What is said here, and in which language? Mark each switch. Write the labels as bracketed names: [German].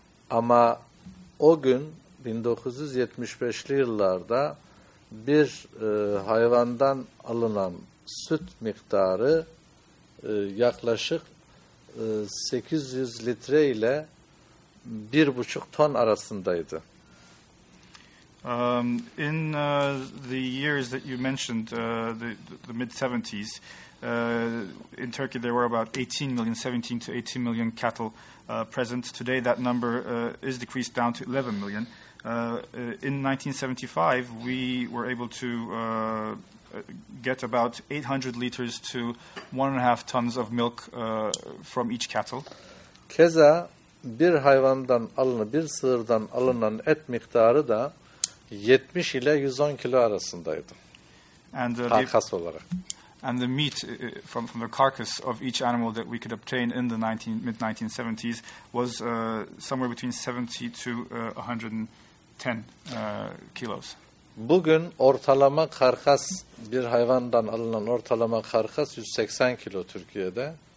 [Turkish] Ama o gün 1975'li yıllarda bir hayvandan alınan süt miktarı yaklaşık 800 litre ile 1,5 ton arasındaydı. [English] In the years that you mentioned, the mid-70s, in Turkey there were about 17 to 18 million cattle present. Today that number is decreased down to 11 million. In 1975, we were able to get about 800 liters to 1.5 tons of milk from each cattle. [Turkish] Keza bir hayvandan alınan, bir sığırdan alınan et miktarı da 70 ile 110 kilo arasındaydı. [English] And [Turkish] karkas olarak. [English] And the meat from the carcass of each animal that we could obtain in the mid-1970s was somewhere between 70 to 110 kilos. [Turkish] Bugün ortalama karkas, bir hayvandan alınan ortalama karkas 180 kilo Türkiye'de.